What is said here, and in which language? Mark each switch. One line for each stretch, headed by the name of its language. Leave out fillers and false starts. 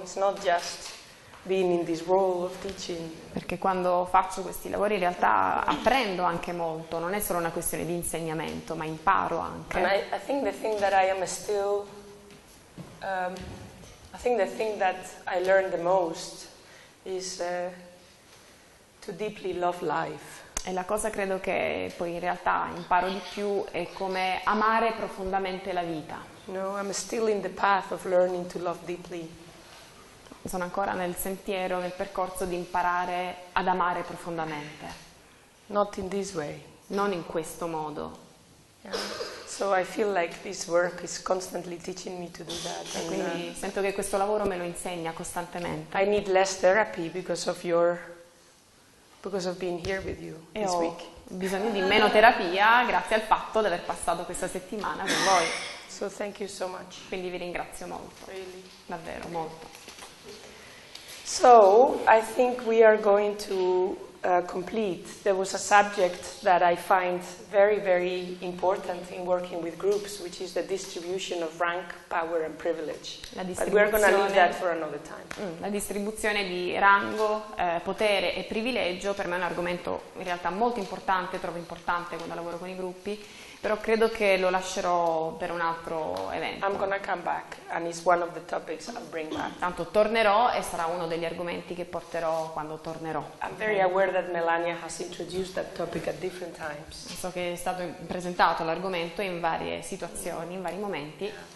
English: It's not just being in this role of teaching.
Italian: Perché quando faccio questi lavori in realtà apprendo anche molto, non è solo una questione di insegnamento, ma imparo anche.
English: And I think the thing that I am still I think the thing that I learned the most is to deeply love life.
Italian: E la cosa credo che poi in realtà imparo di più è come amare profondamente la vita.
English: No, I'm still in the path of learning to love deeply.
Italian: Sono ancora nel sentiero, nel percorso di imparare ad amare profondamente.
English: Not in this way.
Italian: Non in questo modo.
English: Yeah. So I feel like this work is constantly teaching me to do that.
Italian: E quindi sento che questo lavoro me lo insegna costantemente.
English: I need less therapy because of being here with you this week.
Italian: E ho bisogno di meno terapia grazie al fatto di aver passato questa settimana con voi.
English: So thank you so much.
Italian: Quindi vi ringrazio molto.
English: Really.
Italian: Davvero molto.
English: So, I think we are going to complete, there was a subject that I find very, very important in working with groups, which is the distribution of rank, power and privilege.
Italian: La distribuzione,
English: but we're going to leave that for another time.
Italian: La distribuzione di rango, potere e privilegio per me è un argomento in realtà molto importante, trovo importante quando lavoro con i gruppi, però credo che lo lascerò per un altro evento.
English: I'm going to come back and it's one of the topics I'll bring back.
Italian: Tanto tornerò e sarà uno degli argomenti che porterò quando tornerò.
English: I'm very aware that Melania has introduced that topic at different times.
Italian: So che è stato presentato l'argomento in varie situazioni, in vari momenti.